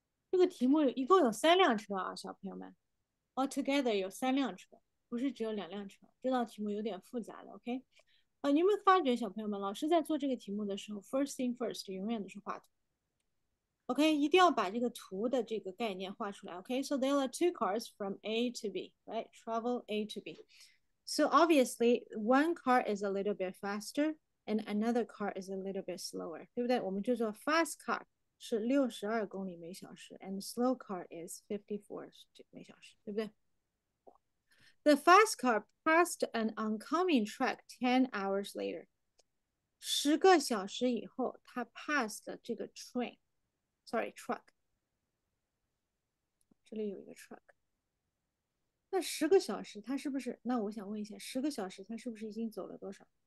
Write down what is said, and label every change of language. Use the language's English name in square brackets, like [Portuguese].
[Chinese] 这个题目一共有三辆车啊，小朋友们。Altogether 有三辆车，不是只有两辆车。这道题目有点复杂了，OK？你有没有发觉，小朋友们，老师在做这个题目的时候， [English] first thing first [Chinese] 永远都是画图。 OK，一定要把这个图的这个概念画出来。 [English] OK，so、okay? there are two cars from A to B，right？Travel A to B。 So obviously one car is a little bit faster and another car is a little bit slower， [Chinese] 对不对？我们就说 fast car 是62公里每小时， [English] and slow car is [Chinese] 54每小时，对不对？ [English] The fast car passed an oncoming track 10 hours later. [Chinese] 10个小时以后, 它 passed 这个 train. [English] Sorry, truck. [Chinese] 这里有一个 truck. 那10个小时, 它是不是, 那我想问一下, 10个小时, 它是不是已经走了多少?